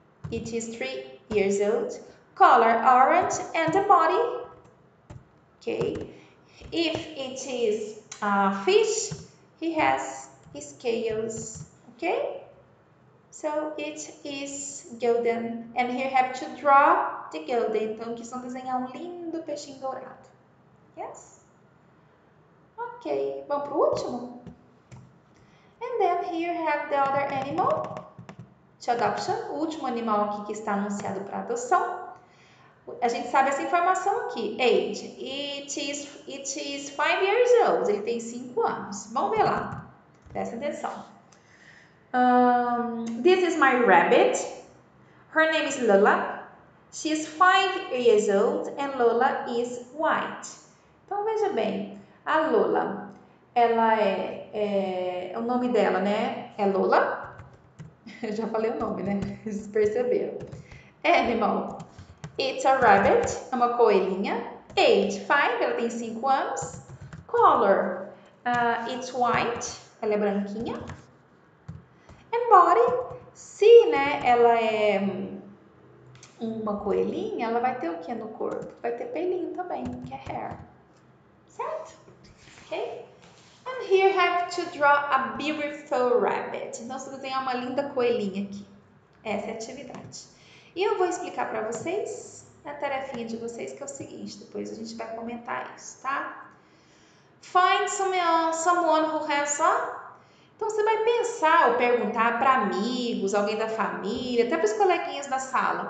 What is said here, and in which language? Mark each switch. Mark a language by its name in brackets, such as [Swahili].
[English] It is 3 years old. Color orange and a body. Okay. If it is a fish, he has his scales. Okay? So it is golden. And here you have to draw the golden. [Portuguese] Então, que são desenhar um lindo peixinho dourado. [English] Yes? [Portuguese] Okay. Vamos pro último? [English] And then here you have the other animal to adoption. [Portuguese] O último animal aqui que está anunciado para adoção. A gente sabe essa informação aqui. [English] Age. It is 5 years old. [Portuguese] Ele tem 5 anos. Vamos ver lá. Presta atenção. [English] This is my rabbit. Her name is Lola. She is 5 years old and Lola is white. [Portuguese] Então veja bem, a Lola, ela o nome dela, né? É Lola. Eu já falei o nome, né? Vocês perceberam. Animal. [English] It's a rabbit, [Portuguese] é uma coelhinha. [English] Age 5, [Portuguese] ela tem 5 anos. [English] Color. It's white, [Portuguese] ela é branquinha. [English] And body, [Portuguese] se, né, ela é uma coelhinha, ela vai ter o que no corpo? Vai ter pelinho também, que é hair. Certo? Ok? [English] And here have to draw a beautiful rabbit. [Portuguese] Então, você desenhar uma linda coelhinha aqui. Essa é a atividade. E eu vou explicar para vocês a tarefinha de vocês, que é o seguinte. Depois a gente vai comentar isso, tá? [English] Find someone who has a... [Portuguese] Então, você vai pensar ou perguntar para amigos, alguém da família, até para os coleguinhas da sala.